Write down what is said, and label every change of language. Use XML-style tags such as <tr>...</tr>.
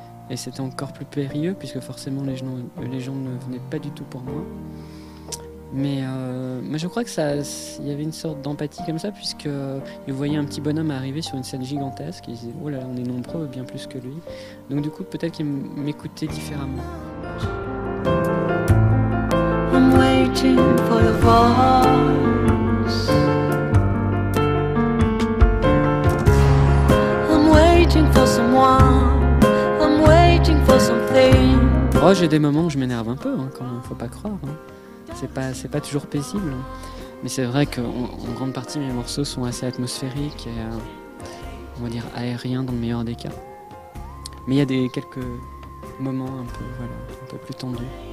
<fr>Et c'était encore plus périlleux, puisque forcément les gens ne venaient pas du tout pour moi. Mais je crois qu'il y avait une sorte d'empathie comme ça, puisqu'ils voyaient un petit bonhomme arriver sur une scène gigantesque. Ils disaient, oh là là, on est nombreux, bien plus que lui. Donc du coup, peut-être qu'ils m'écoutaient différemment.</fr> <en>I'm waiting for the voice. I'm waiting for someone. I'm waiting for something.</en> <fr>Oh, j'ai des moments où je m'énerve un peu, hein, quand même, faut pas croire. Hein. C'est pas toujours paisible. Hein. Mais c'est vrai qu'en grande partie, mes morceaux sont assez atmosphériques et, on va dire, aériens dans le meilleur des cas. Mais il y a quelques moments un peu, voilà, un peu plus tendus.</fr>